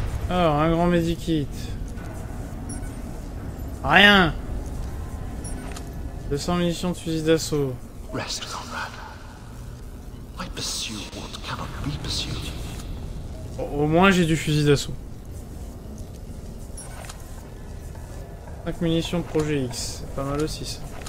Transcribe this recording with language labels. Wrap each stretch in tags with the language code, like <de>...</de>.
<fr>Alors, un grand medikit. Rien. 200 munitions de fusil d'assaut.</fr> <en>Rest, Conrad. I pursue what cannot be pursued.</en> <fr>Au moins j'ai du fusil d'assaut. 5 munitions de projet X, c'est pas mal aussi ça.</fr>